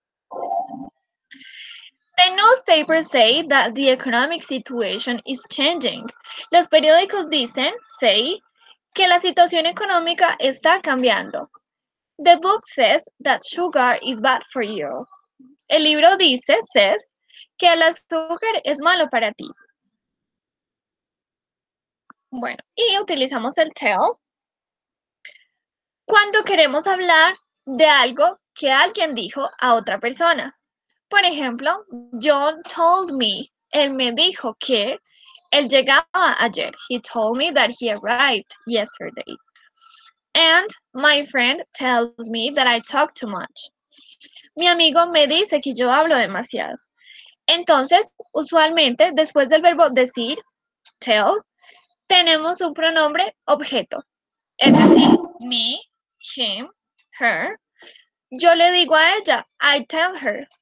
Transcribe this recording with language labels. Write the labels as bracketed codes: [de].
[en] The newspapers say that the economic situation is changing. [es] Los periódicos dicen, say, que la situación económica está cambiando. [en] The book says that sugar is bad for you. [es] El libro dice, says, que el azúcar es malo para ti. Bueno, y utilizamos el tell cuando queremos hablar de algo que alguien dijo a otra persona. Por ejemplo, [en] John told me, [es] él me dijo que él llegaba ayer. [en] He told me that he arrived yesterday. And my friend tells me that I talk too much. [es] Mi amigo me dice que yo hablo demasiado. Entonces, usualmente, después del verbo decir, tell, tenemos un pronombre objeto. Es decir, me, [en] him, her. [es] Yo le digo a ella, [en] I tell her.